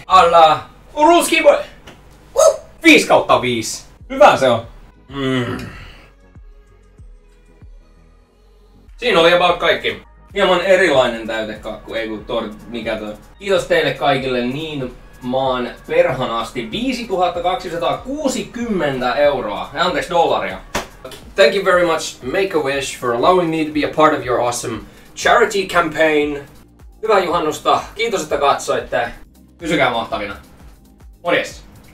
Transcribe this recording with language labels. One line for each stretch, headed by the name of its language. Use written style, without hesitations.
Finnish: A la...
English: Ruski boy.
Finnish: 5/5. Hyvä se on. Siinä oli about kaikki. Hieman erilainen täytekakku, ei kun mikä toi. Kiitos teille kaikille niin maan perhan asti. 5260 euroa. Anteeksi, dollaria.
English: Thank you very much, Make-A-Wish, for allowing me to be a part of your awesome charity campaign.
Finnish: Hyvää juhannusta. Kiitos, että katsoitte. Pysykää mahtavina. Morjes.